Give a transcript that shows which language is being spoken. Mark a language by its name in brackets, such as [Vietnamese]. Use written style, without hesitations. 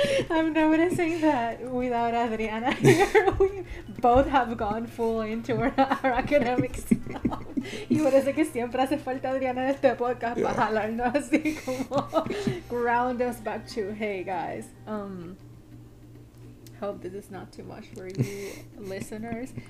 [English] I'm noticing that without Adriana here, we both have gone full into our academic self. [Spanish] Y parece que siempre hace falta Adriana en este podcast para jalarnos así como [English] ground us back to, hey guys. Hope this is not too much for you listeners.